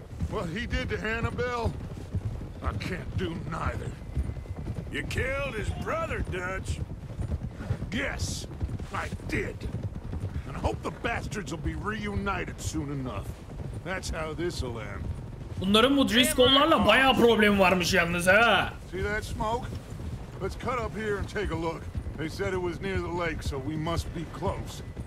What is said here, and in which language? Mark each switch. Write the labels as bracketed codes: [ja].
[en] What he did to Hannibal, I can't do neither. You killed his brother, Dutch. Yes, I did. I hope the bastards will be reunited soon enough. That's how this'll end. [tr] Bunların bu Driscoll'larla bayağı problem varmış yalnız ha. [en] See that smoke? Let's cut up here and take a look. They said it was near the lake, so we must be close.